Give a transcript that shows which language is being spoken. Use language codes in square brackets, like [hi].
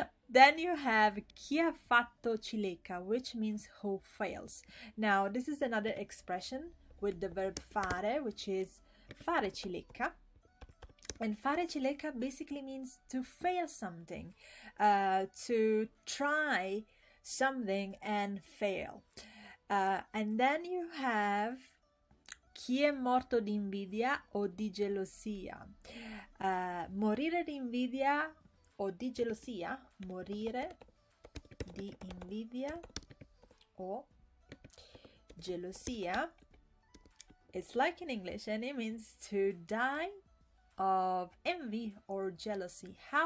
[en] Then you have [it] chi ha fatto cileca, [en] which means who fails. Now this is another expression with the verb fare, which is [it] fare cileca. [en] And [it] fare cileca [en] basically means to fail something, to try something and fail. And then you have [it] chi è morto di invidia o di gelosia. Morire di invidia o di gelosia. Morire di invidia o gelosia. [en] It's like in English, and it means to die of envy or jealousy.